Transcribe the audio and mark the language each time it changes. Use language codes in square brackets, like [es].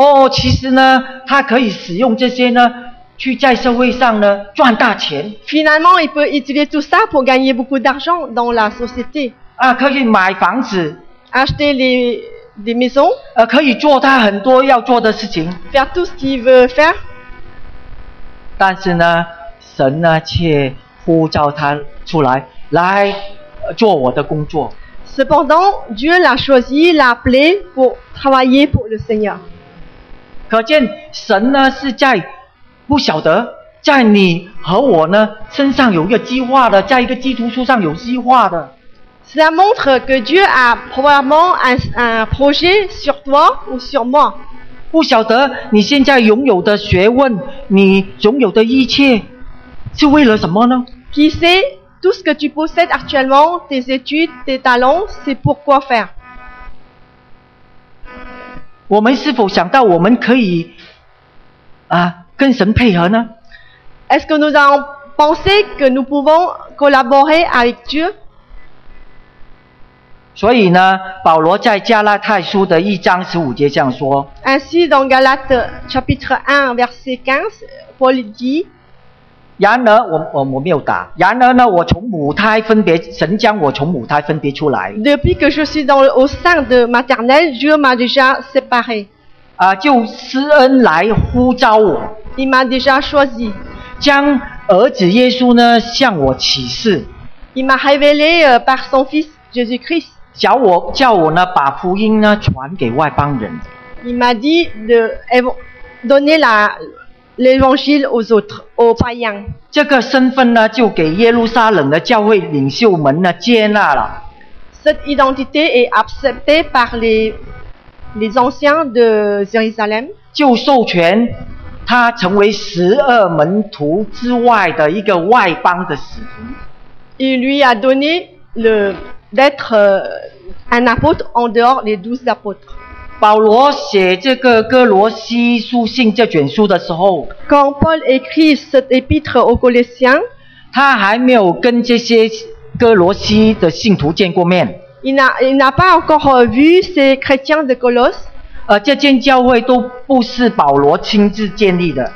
[zh] 其实呢他可以使用这些呢去在社会上呢赚大钱。 [fr] Finalement, il peut utiliser tout ça pour gagner beaucoup d'argent dans la société. [zh] 可以买房子。 [fr] Acheter des maisons. [zh] 可以做他很多要做的事情。 [fr] Faire tout ce qu'il veut faire. [zh] 但是呢神呢却呼召他出来来做我的工作。 [fr] Cependant, Dieu l'a choisi, l'a appelé pour travailler pour le Seigneur. [zh] 可见神呢是在不晓得在你和我呢身上有一个计划的，在一个基督徒上有计划的。 [fr] Cela montre que Dieu a probablement un projet sur toi ou sur moi. [zh] 不晓得你现在拥有的学问，你拥有的一切，是为了什么呢？ [fr] Qui sait tout ce que tu possèdes actuellement, tes études, tes talents, c'est pour quoi faire? [zh] 我们是否想到我们可以啊跟神配合呢？ [fr] Est-ce que nous avons pensé que nous pouvons collaborer avec Dieu? [zh] 所以呢，保罗在加拉太书的一章十五节这样说。 [fr] Ainsi, dans Galates chapitre 1, verset 15, Paul dit: [zh] 然而我没有打。然而呢，我从母胎分别，神将我从母胎分别出来。 [fr] Depuis que je suis dans au sein de maternelle, Dieu m'a déjà séparé. [zh] 啊，就施恩来呼召我。 [fr] Il m'a déjà choisi. [zh] 将儿子耶稣呢向我启示。 [fr] Il m'a révélé par son fils Jésus-Christ. [zh] 叫我呢把福音呢传给外邦人。 [fr] Il m'a dit de donner la. L'évangile aux autres, aux païens. [zh] 这个身份呢，就给耶路撒冷的教会领袖们呢接纳了。 [fr] Cette identité est acceptée par les anciens de Jérusalem. [zh] 就授权他成为十二门徒之外的一个外邦的使徒。 [fr] Il lui a donné d'être un apôtre en dehors des douze apôtres. [zh] 保罗写这个哥罗西书信这卷书的时候 [fr] ，Quand Paul écrit cette épître aux Colossiens， [zh] 他还没有跟这些哥罗西的信徒见过面。 [fr] Il n'a pas encore vu ces chrétiens de Colosse。 [zh] 这间教会都不是保罗亲自建立的。